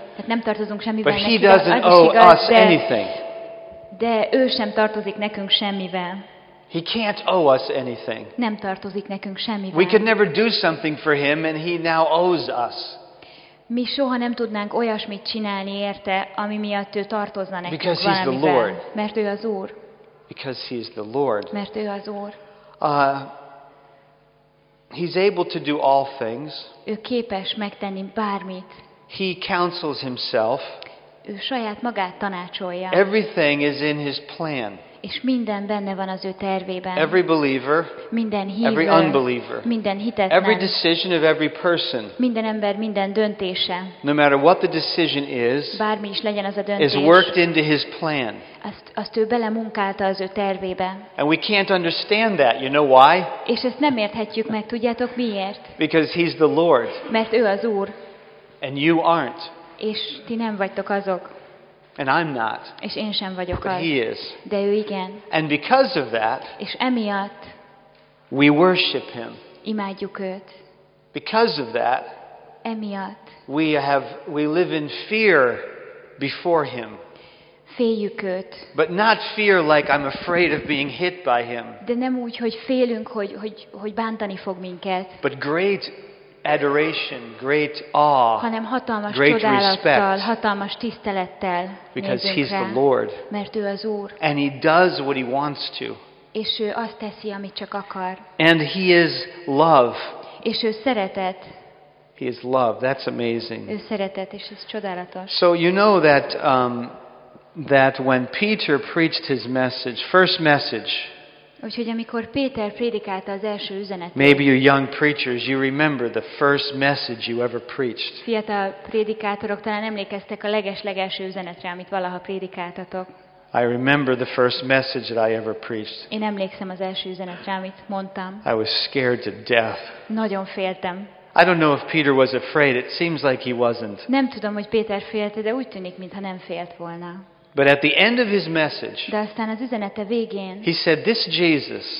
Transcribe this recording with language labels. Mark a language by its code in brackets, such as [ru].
[hu] Hát nem tartozunk semmivel [en] but [hu] neki. [en] He doesn't owe us anything. [hu] De ő sem tartozik nekünk semmivel. [en] He can't owe us anything. [hu] Nem tartozik nekünk semmivel. [en] We could never do something for him and he now owes us. [hu] Mi soha nem tudnánk olyasmit csinálni érte, ami miatt ő tartozna nekünk [en] because [hu] valamiben. [en] He's the Lord. [hu] Mert ő az Úr. [en] Because he's the Lord. [hu] Mert ő az Úr. [en] He's able to do all things. [hu] Ő képes megtenni bármit. [en] He counsels himself. [hu] Ő saját magát tanácsolja. [en] Everything is in his plan. [hu] És minden benne van az ő tervében. [en] Every believer, [hu] minden hívő, [en] every unbeliever, [hu] minden hitetlen, [en] every decision of every person, [hu] minden ember minden döntése, [en] no matter what the decision is, [hu] bármi is legyen az a döntés, [en] is worked into his plan. [hu] Azt ő belemunkálta az ő tervébe. [en] And we can't understand that, you know why? [hu] És ezt nem érthetjük meg, tudjátok miért? [en] Because he's the Lord. [hu] Mert ő az Úr. [en] And you aren't. [hu] És ti nem vagytok azok. [en] And I'm not. [hu] És én sem vagyok [en] but [hu] az. [en] He is. [hu] De ő igen. [en] And because of that, [hu] és emiatt, [en] we worship him. [hu] Imádjuk őt. [en] Because of that, [hu] emiatt, [en] we live in fear before him. [hu] Féljük őt. [en] But not fear like I'm afraid of being hit by him. [hu] De nem úgy, hogy félünk, hogy bántani fog minket. [en] But great adoration, great awe, [hu] hanem hatalmas [en] great [hu] csodálattal, hatalmas tisztelettel [en] because he's [hu] rá, [en] the Lord. [hu] Mert ő az Úr. [en] And he does what he wants to. [hu] És ő azt teszi, amit csak akar. [en] And he is love. [hu] És ő szeretet. [en] He is love. That's amazing. [hu] Ő szeretet, és ez csodálatos. [en] So you know that that when Peter preached his message, first message, [hu] úgyhogy amikor Péter prédikálta az első üzenetét. [en] Maybe you young preachers, you remember the first message you ever preached. [hu] Fiatal prédikátorok talán emlékeztek a legelső üzenetre, amit valaha prédikáltatok. [en] I remember the first message that I ever preached. [hu] Én emlékszem az első üzenetre, amit mondtam. [en] I was scared to death. [hu] Nagyon féltem. [en] I don't know if Peter was afraid. It seems like he wasn't. [hu] Nem tudom, hogy Péter félte, de úgy tűnik, mintha nem félt volna. [en] But at the end of his message, [hu] de aztán az üzenete végén, [en] he said, "This Jesus,